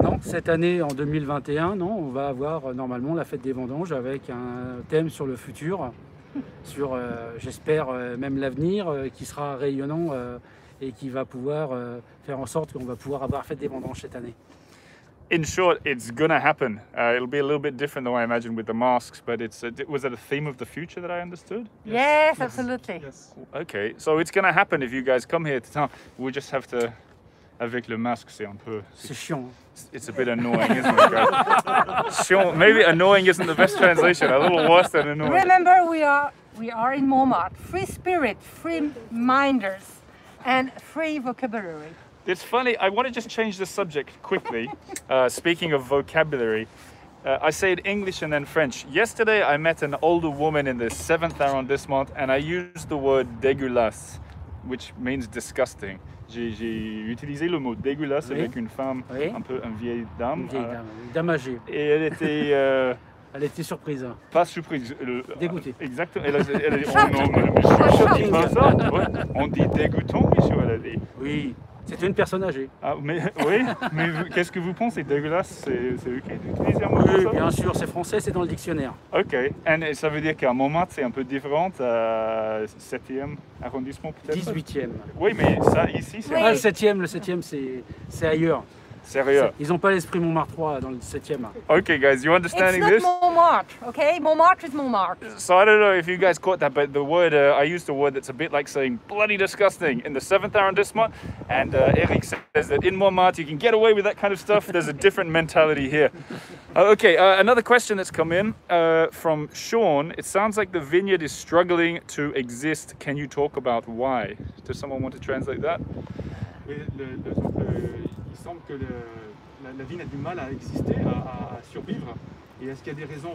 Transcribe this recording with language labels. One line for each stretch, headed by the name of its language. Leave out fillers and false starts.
French: Non, cette année, en 2021, non, on va avoir normalement la fête des vendanges avec un thème sur le futur, sur, j'espère, même l'avenir, qui sera rayonnant et qui va pouvoir faire en sorte qu'on va pouvoir avoir la fête des vendanges cette année.
English: in short, it's gonna happen. It'll be a little bit different though, I imagine, with the masks, but was it a theme of the future that I understood? Yes, absolutely. Yes. Okay, so it's gonna happen if you guys come here to town. We just have to,
French: avec le masque, c'est un peu. C'est chiant.
English: It's a bit annoying, isn't it? Chiant. Maybe annoying isn't the best translation, a little worse than annoying. Remember, we are in Montmartre. Free spirit, free minders, and free vocabulary. It's funny, I want to just change the subject quickly. Speaking of vocabulary, I say it English and then French. Yesterday I met an older woman in the 7th arrondissement and I used the word dégueulasse, which means disgusting.
French: J'ai utilisé le mot dégueulasse avec une femme, un peu une vieille dame. Une vieille dame âgée. Et elle était... Elle était surprise. Pas surprise. Dégoûtée. Exactement. Elle est... Oh non, mais je choque pas ça. On dit dégoûtant, monsieur, elle a dit. Oui. C'est une personne âgée. Ah, mais oui, mais vous, qu'est-ce que vous pensez, dégueulasse, c'est ok d'utiliser un mot? Oui, bien sûr, c'est français, c'est dans le dictionnaire. Ok, et ça veut dire qu'à Montmartre, c'est un peu différent, 7e arrondissement peut-être? 18e. Oui, mais ça ici, c'est... Ah, le 7e, c'est ailleurs. Sérieux? Ils n'ont pas l'esprit Montmartre dans le 7e.
English: Ok, guys, you understanding this? It's not Montmartre, ok? Montmartre is Montmartre. So I don't know if you guys caught that, but the word, I used a word that's a bit like saying bloody disgusting in the 7th arrondissement. And Eric says that in Montmartre, you can get away with that kind of stuff. There's a different mentality here. Another question that's come in from Sean. It sounds like the vineyard is struggling to exist. Can you talk about why? Does someone want to translate that?
French: Il semble que la vigne a du mal à exister, à survivre. Et est-ce qu'il y a des raisons?